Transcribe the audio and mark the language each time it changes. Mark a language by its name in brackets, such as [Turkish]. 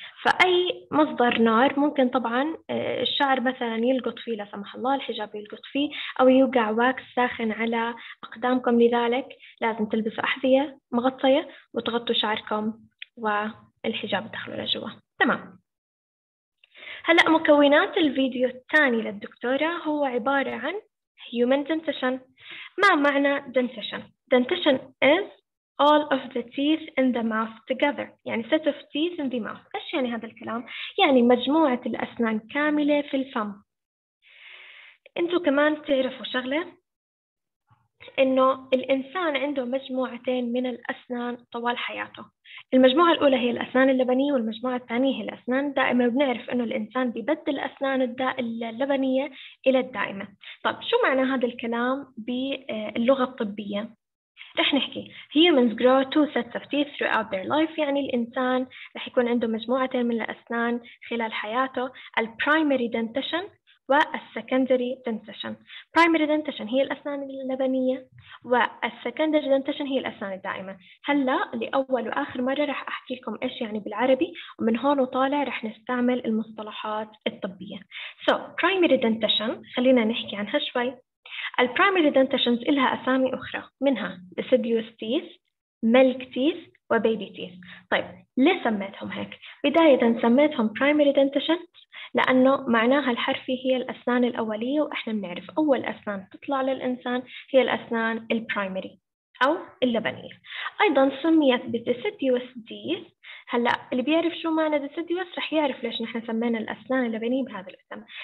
[Arabic] فأي مصدر نار ممكن طبعاً الشعر مثلاً يلقط فيه لا سمح الله، الحجاب يلقط فيه، أو يوقع واكس ساخن على أقدامكم، لذلك لازم تلبسوا أحذية مغطية وتغطوا شعركم والحجاب دخلوا لجوا. تمام. هلأ مكونات الفيديو الثاني للدكتورة هو عبارة عن human dentition. ما معنى [English] dentition؟ dentition is all of the teeth in the mouth together. [Arabic] يعني [English] set of teeth in the mouth. [Arabic] إيش يعني هذا الكلام؟ يعني مجموعة الأسنان كاملة في الفم. أنتوا كمان تعرفوا شغلة؟ إنه الإنسان عنده مجموعتين من الأسنان طوال حياته. المجموعة الأولى هي الأسنان اللبنية، والمجموعة الثانية هي الأسنان الدائمة. بنعرف إنه الإنسان بيبدل الأسنان اللبنية إلى الدائمة. طب شو معنى هذا الكلام باللغة الطبية؟ رح نحكي [English] humans grow two sets of teeth throughout their life. [Arabic] يعني الإنسان رح يكون عنده مجموعتين من الأسنان خلال حياته، ال primary dentition وال secondary dentition. primary dentition هي الأسنان اللبنية، وال secondary dentition هي الأسنان الدائمة. هلا لأول وآخر مرة رح أحكي لكم إيش يعني بالعربي، ومن هون وطالع رح نستعمل المصطلحات الطبية. so primary dentition خلينا نحكي عنها شوي. ال primary dentitions إلها أسامي أخرى، منها deciduous teeth, milk teeth و baby teeth. طيب ليه سميتهم هيك؟ بداية سميتهم primary dentitions لأنه معناها الحرفي هي الأسنان الأولية، وإحنا بنعرف أول أسنان تطلع للإنسان هي الأسنان ال primary أو اللبنية. أيضا سميت deciduous teeth. هلأ اللي بيعرف شو معنى deciduous رح يعرف ليش نحن سمينا الأسنان اللبنية بهذا الاسم.